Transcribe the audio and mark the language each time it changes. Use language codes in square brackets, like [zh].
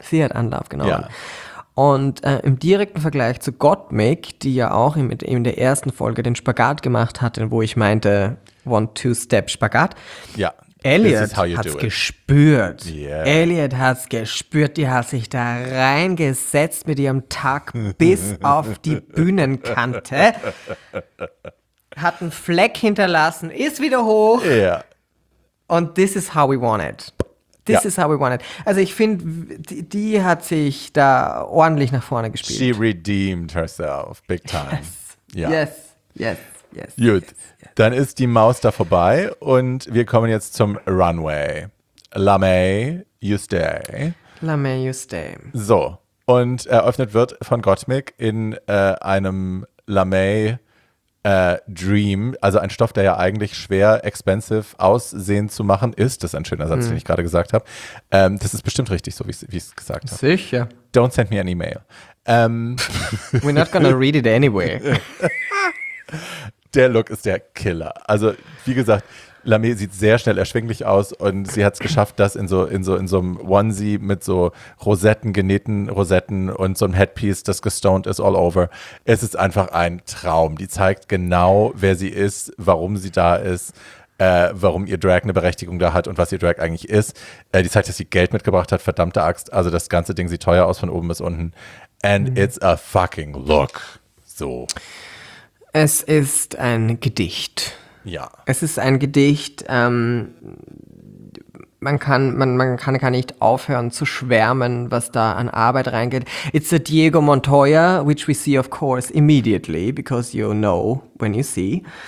[de] Sie hat Anlauf genommen. Ja. Und im direkten Vergleich zu Gottmik, die ja auch in der ersten Folge den Spagat gemacht hatte, wo ich meinte, One-Two-Step-Spagat. Ja. Elliot hat es gespürt. Yeah. Elliot hat es gespürt. Die hat sich da reingesetzt mit ihrem Tag bis auf die Bühnenkante. Hat einen Fleck hinterlassen, ist wieder hoch. [en] Yeah. Und this is how we want it. This is how we want it. [de] Also ich finde, die hat sich da ordentlich nach vorne gespielt. [en] She redeemed herself big time. Yes, yeah. Yes, yes. Yes, [de] gut, [en] yes, yes. [de] Dann ist die Maus da vorbei und wir kommen jetzt zum Runway. [en] La May, you stay. La May, you stay. [de] So, und eröffnet wird von Gottmik in einem La May Dream, also ein Stoff, der ja eigentlich schwer expensive aussehen zu machen ist. Das ist ein schöner Satz, den ich gerade gesagt habe. Das ist bestimmt richtig, so wie ich es gesagt habe. Sicher. [en] Don't send me an email. We're not gonna read it anyway. [de] Der Look ist der Killer. Also, wie gesagt, Lamé sieht sehr schnell erschwinglich aus und sie hat es geschafft, das in so einem Onesie mit so Rosetten, genähten Rosetten und so einem Headpiece, das gestoned ist all over. Es ist einfach ein Traum. Die zeigt genau, wer sie ist, warum sie da ist, warum ihr Drag eine Berechtigung da hat und was ihr Drag eigentlich ist. Die zeigt, dass sie Geld mitgebracht hat, verdammte Axt. Also, das ganze Ding sieht teuer aus von oben bis unten. [en] And it's a fucking look. So. [de] Es ist ein Gedicht. Ja. Es ist ein Gedicht. Man kann gar nicht aufhören zu schwärmen, was da an Arbeit reingeht. [en] It's a Diego Montoya, which we see, of course, immediately, because you know when you see.